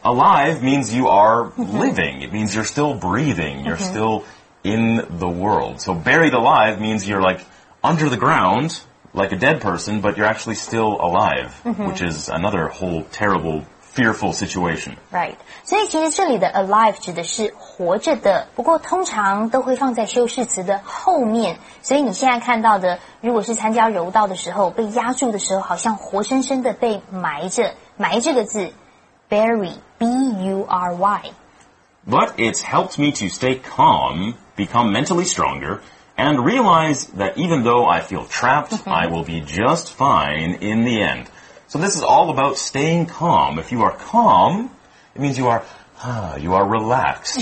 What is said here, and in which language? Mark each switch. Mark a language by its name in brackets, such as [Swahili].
[English] Alive means you are living. It means you're still breathing. You're still in the world. So buried alive means you're like under the ground, like a dead person, but you're actually still alive, which is another whole terrible, fearful situation. Right. [Chinese] 所以其实这里的 alive 指的是活着的，不过通常都会放在修饰词的后面。所以你现在看到的，如果是参加柔道的时候，被压住的时候，好像活生生的被埋着，埋这个字 ,bury, B-U-R-Y. [English] But it's helped me to stay calm, become mentally stronger,and realize that even though I feel trapped, I will be just fine in the end. So this is all about staying calm. If you are calm, it means you are relaxed.